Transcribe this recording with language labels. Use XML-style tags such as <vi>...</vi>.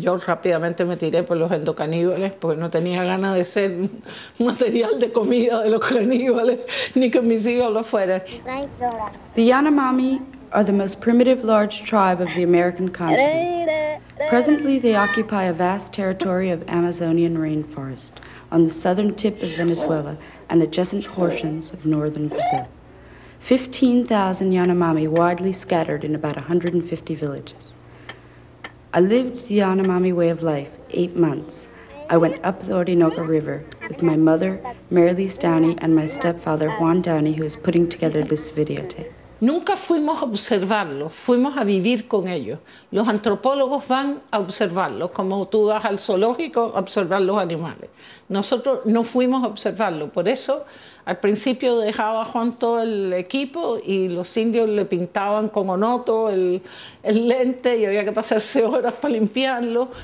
<es>Yo rápidamente me tiré por los endocaníbales porque no tenía ganas de ser material de comida de los caníbales, ni que mis hijos lo fueran.</es> <en>The Yanomami are the most primitive large tribe of the American continent. Presently, they occupy a vast territory of Amazonian rainforest on the southern tip of Venezuela and adjacent portions of northern Brazil. 15,000 Yanomami widely scattered in about 150 villages. I lived the Yanomami way of life 8 months. I went up the Orinoco River with my mother, Mary Lise Downey, and my stepfather, Juan Downey, who is putting together this videotape.</en> <es>Nunca fuimos a observarlos, fuimos a vivir con ellos. Los antropólogos van a observarlos, como tú vas al zoológico a observar los animales. Nosotros no fuimos a observarlos, por eso al principio dejaba Juan todo el equipo y los indios le pintaban con onoto el lente y había que pasarse horas para limpiarlo.</es>